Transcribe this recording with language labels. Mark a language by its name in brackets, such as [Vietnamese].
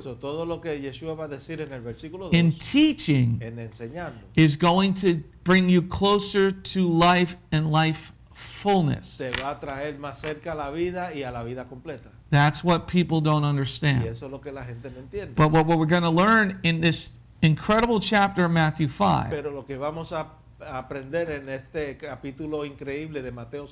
[Spanish] so todo lo que Yeshua va a decir en el versículo 2, [English] in teaching, [Spanish] en enseñando, [English] is going to bring you closer to life and life fullness. [Spanish] Te va a traer más cerca a la vida y a la vida completa. [English] That's what people don't understand. [Spanish] Y eso es lo que la gente no entiende. [English] But what we're going to learn in this incredible chapter of Matthew 5, [Spanish] pero lo que vamos a aprender en este capítulo increíble de Mateo